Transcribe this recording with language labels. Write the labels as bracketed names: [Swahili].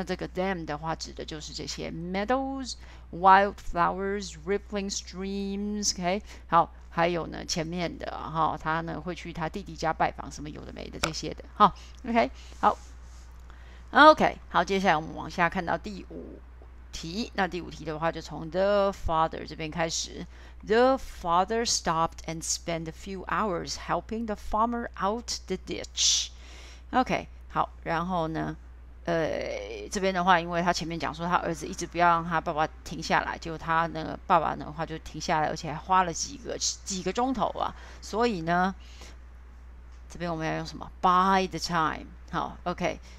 [Chinese] 那这个 them 的话，指的就是这些 meadows, wildflowers, rippling streams。OK， 好，还有呢前面的哈，他呢会去他弟弟家拜访什么有的没的这些的哈。OK， 好。 OK， 好，接下来我们往下看到第五题。那第五题的话，就从 the father 这边开始。 [English] The father stopped and spent a few hours helping the farmer out the ditch. [Chinese] OK， 好，然后呢，这边的话，因为他前面讲说他儿子一直不要让他爸爸停下来，就他那个爸爸的话就停下来，而且还花了几个钟头啊。所以呢，这边我们要用什么 ？By the time， 好 ，OK。